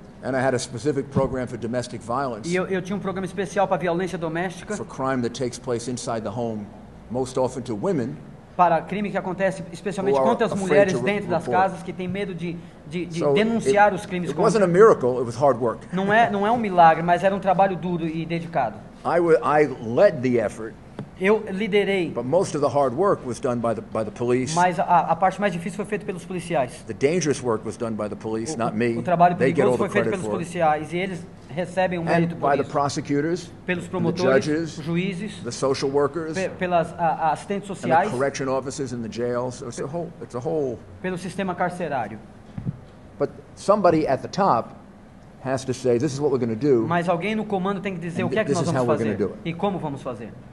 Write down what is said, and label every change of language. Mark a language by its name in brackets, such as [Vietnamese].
[English] And I had a specific program for domestic violence. [Portuguese] E eu tinha um programa especial para violência doméstica. [English] For crime that takes place inside the home, most often to women. [Portuguese] Para crime que acontece especialmente contra as mulheres dentro das casas que têm medo de denunciar os crimes. [English] It wasn't a miracle, it was hard work. [Portuguese] Não é um milagre, mas era um trabalho duro e dedicado. [English] I led the effort. [Portuguese] Eu liderei. [English] But most of the hard work was done by the police. [Portuguese] Mas a parte mais difícil foi feita pelos policiais. [English] The dangerous work was done by the police, not me. [Portuguese] O trabalho perigoso foi feito pelos policiais e eles recebem o mérito por isso. [English] By the prosecutors, [Portuguese] pelos promotores, os juízes, [English] the social workers, [Portuguese] pelas assistentes sociais, [English] the correction officers in the jails. It's a whole. [Portuguese] Pelo sistema carcerário. [English] But somebody at the top has to say, this is what we're going to do. [Portuguese] Mas alguém no comando tem que dizer o que é que nós vamos fazer e como vamos fazer.